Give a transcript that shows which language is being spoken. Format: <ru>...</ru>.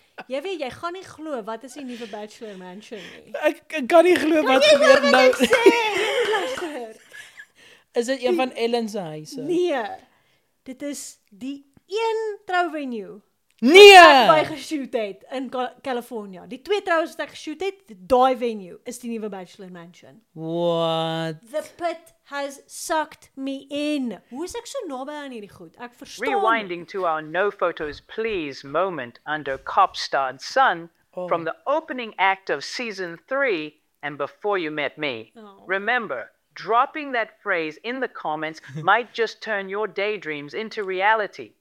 <af>Jy weet, jy gaan nie glo, wat is die nuwe Bachelor Mansion nie? Ek kan nie glo wat gebeur nou. Kan jy hoor wat ek sê? Is dit een van Ellen se huise? Nee, dit is die een trouvenue. Nee! Wat ek geshoot het in California. Die twee trouwens wat ek geshoot het, die venue is die nieuwe Bachelor Mansion.</af> <en>What? The pit has sucked me in.</en> <af>Hoe is ek so naby aan hierdie goed? Ek verstaan.</af> <en>Rewinding to our no photos please moment under Copstad Sun from the opening act of season 3 and before you met me. Oh. Remember, dropping that phrase in the comments might just turn your daydreams into reality.</en>